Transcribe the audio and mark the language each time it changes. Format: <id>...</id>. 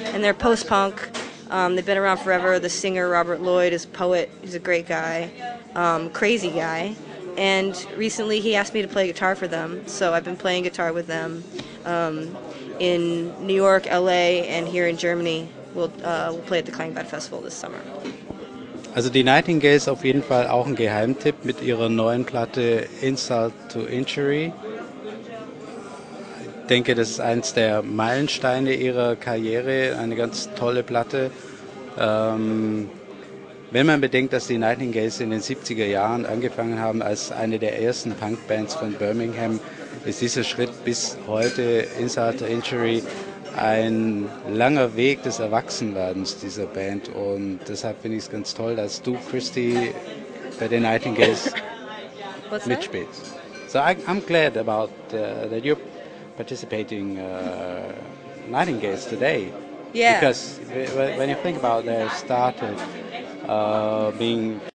<en>And they're post-punk. They've been around forever. The singer, Robert Lloyd, is a poet. He's a great guy, crazy guy. And recently he asked me to play guitar for them, so I've been playing guitar with them. In New York, LA, and here in Germany, we'll play at the Klangbad Festival this summer.</en> <de>Also die Nightingales auf jeden Fall auch ein Geheimtipp mit ihrer neuen Platte Insult to Injury. Ich denke, das ist eins der Meilensteine ihrer Karriere, eine ganz tolle Platte. Wenn man bedenkt, dass die Nightingales in den 70er Jahren angefangen haben als eine der ersten Punkbands von Birmingham, ist dieser Schritt bis heute, Insult to Injury, ein langer Weg des Erwachsenwerdens dieser Band. Und deshalb finde ich es ganz toll, dass du, CHRISTY, bei den Nightingales mitspielst.</de> <en>So I'm glad about that you're participating Nightingales today. Yeah. Because when you think about their start of being</en>